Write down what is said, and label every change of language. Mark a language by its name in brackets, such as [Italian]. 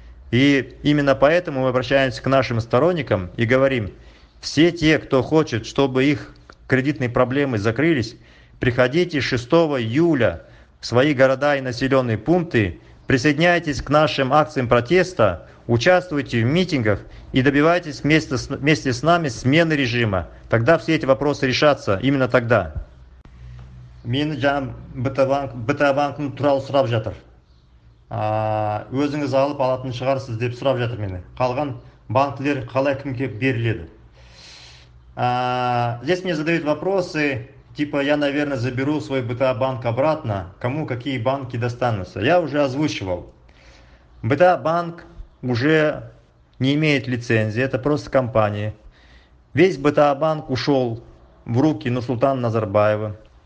[Russian] И именно поэтому мы обращаемся к нашим сторонникам и говорим, все те, кто хочет, чтобы их кредитные проблемы закрылись, приходите 6 июля в свои города и населенные пункты, присоединяйтесь к нашим акциям протеста, участвуйте в митингах и добивайтесь вместе с нами смены режима. Тогда все эти вопросы решатся именно тогда. [Kazakh] Мен жан БТ-банкның туралы сұрап жатыр. Өзіңіз алып алатын шығарсыз деп сұрап жатыр мені. Қалған банкілер қалай кімге беріледі? [Russian] Здесь мне задают вопросы, типа я, наверное, заберу свой БТА-банк обратно, кому какие банки достанутся. Я уже озвучивал. БТА-банк уже не имеет лицензии, это просто компания. Весь БТА-банк ушел в руки Нурсултана Назарбаева.